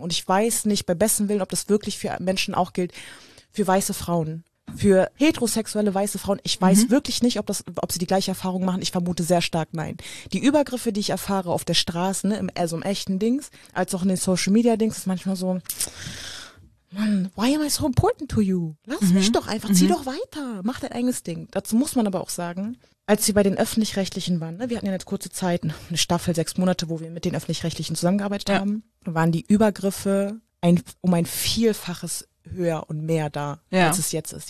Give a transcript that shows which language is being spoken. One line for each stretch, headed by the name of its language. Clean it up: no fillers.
German: Und ich weiß nicht, bei bestem Willen, ob das wirklich für Menschen auch gilt, für weiße Frauen, für heterosexuelle weiße Frauen. Ich weiß wirklich nicht, ob sie die gleiche Erfahrung machen. Ich vermute sehr stark nein. Die Übergriffe, die ich erfahre auf der Straße, ne, also im echten Dings, als auch in den Social Media Dings, ist manchmal so...
English: Mann, why am I so important to you?
German: Lass mich doch einfach, zieh doch weiter, mach dein eigenes Ding. Dazu muss man aber auch sagen, als wir bei den Öffentlich-Rechtlichen waren, ne, wir hatten ja eine kurze Zeit, eine Staffel, 6 Monate, wo wir mit den Öffentlich-Rechtlichen zusammengearbeitet haben, waren die Übergriffe um ein Vielfaches höher und mehr da, als es jetzt ist.